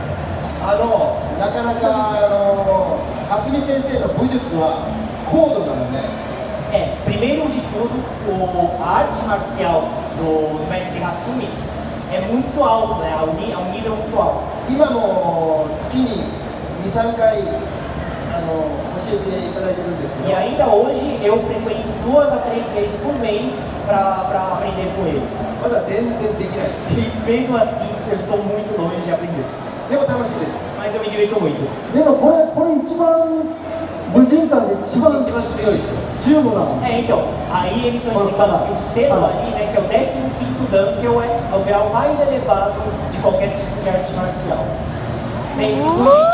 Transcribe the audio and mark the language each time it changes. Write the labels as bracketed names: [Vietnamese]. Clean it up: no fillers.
[Japanese] なかなか、初見先生の武術は高度なので、 [Portuguese] É, primeiro de tudo, a arte marcial do mestre Hatsumi é muito alta, é um nível muito alto. [Japanese] 今も月に2、3回教えていただいてるんですけど。 [Portuguese] E ainda hoje eu frequento 2 a 3 vezes por mês para aprender com ele. [Japanese] まだ全然できないです。 [Portuguese] Mesmo assim, eu estou muito longe de aprender. [Japanese] でも楽しいです。 [Portuguese] Mas eu me divirto muito. [Japanese] でもこれ一番武神館で一番強い15段。 [Portuguese] É, então, aí eles estão explicando que o selo ali, né, que é o 15º Dan, que é o grau mais elevado de qualquer tipo de arte marcial. Tem segundo.